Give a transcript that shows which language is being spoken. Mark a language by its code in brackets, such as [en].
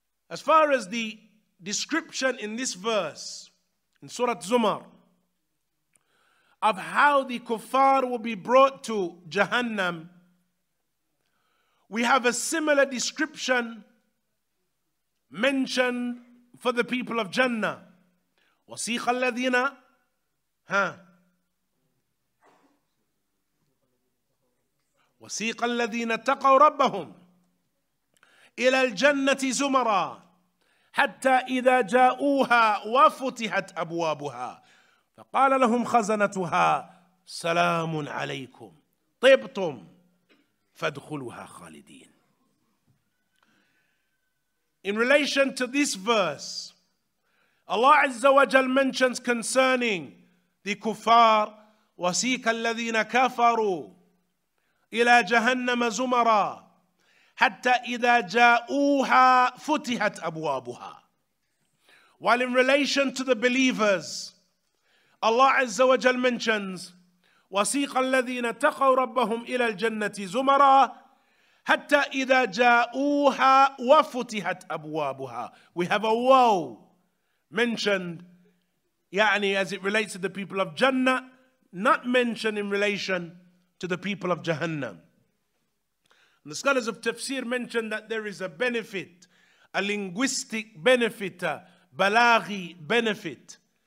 [en] As far as the description in this verse, in Surah Zumar, of how the kuffar will be brought to Jahannam, we have a similar description mentioned for the people of Jannah. [ar] وسيخ الذين ها وسيق الذين اتقوا ربهم إلى الجنة زمرا حتى إذا جاءوها وفتحت أبوابها فقال لهم خزنتها سلام عليكم طبتم فادخلوها خالدين. [en] In relation to this verse, Allah Azza wa Jal mentions concerning the kuffar, [ar] وَسِيكَ الَّذِينَ كَفَرُوا إِلَى جَهَنَّمَ زُمَرًا حَتَّى إِذَا جَاءُوهَا فُتِحَتْ أَبْوَابُهَا. [en] While in relation to the believers, Allah Azza wa Jal mentions, [ar] وَسِيكَ الَّذِينَ تَقَوْ رَبَّهُمْ إِلَى الْجَنَّةِ زُمَرًا حَتَّى إِذَا جَاءُوهَا وَفُتِحَتْ أَبْوَابُهَا. [en] We have a woe mentioned, يعني as it relates to the people of Jannah, not mentioned in relation to the people of Jahannam. And the scholars of Tafsir mentioned that there is a benefit, a linguistic benefit, a balaghi benefit.